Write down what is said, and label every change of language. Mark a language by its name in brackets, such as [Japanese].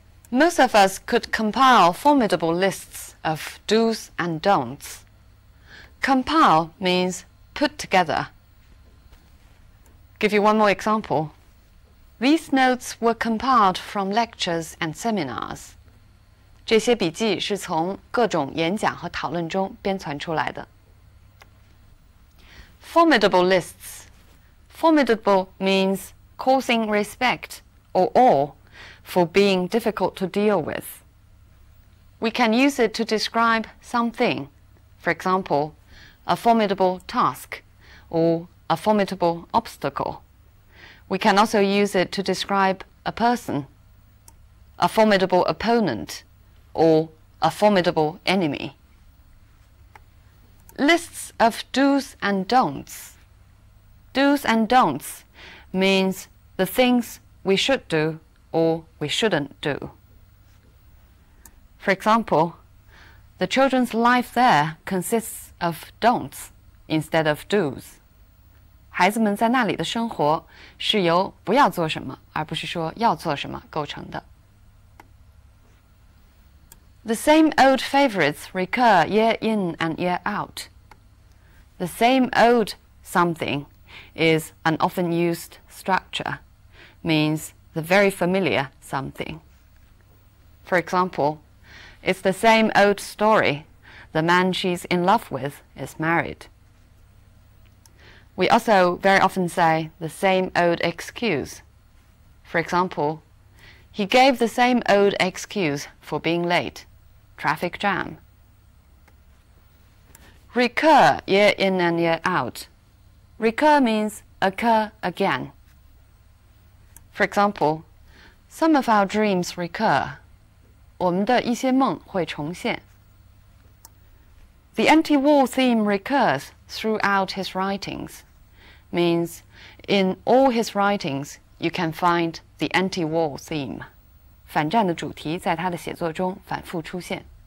[English] Most of us could compile formidable lists of do's and don'ts. Compile means put together. Give you one more example. These notes were compiled from lectures and seminars. [Chinese] 这些笔记是从各种演讲和讨论中编纂出来的。 [English] Formidable lists. Formidable means causing respect or awe for being difficult to deal with. We can use it to describe something, for example, a formidable task or a formidable obstacle. We can also use it to describe a person, a formidable opponent, or a formidable enemy. Lists of do's and don'ts. Do's and don'ts means the things we should do or we shouldn't do. For example, the children's life there consists of don'ts instead of do's. [Chinese] 孩子们在那里的生活是由不要做什么而不是说要做什么构成的。 [English] The same old favorites recur year in and year out. The same old something is an often used structure, means the very familiar something. For example, it's the same old story. The man she's in love with is married. We also very often say the same old excuse. For example, he gave the same old excuse for being late. Traffic jam. Recur year in and year out. Recur means occur again. For example, some of our dreams recur. [Chinese] 我们的一些梦会重现。 [English] The anti-war theme recurs throughout his writings. Means in all his writings, you can find the anti-war theme. [Chinese] 反战的主题在他的写作中反复出现。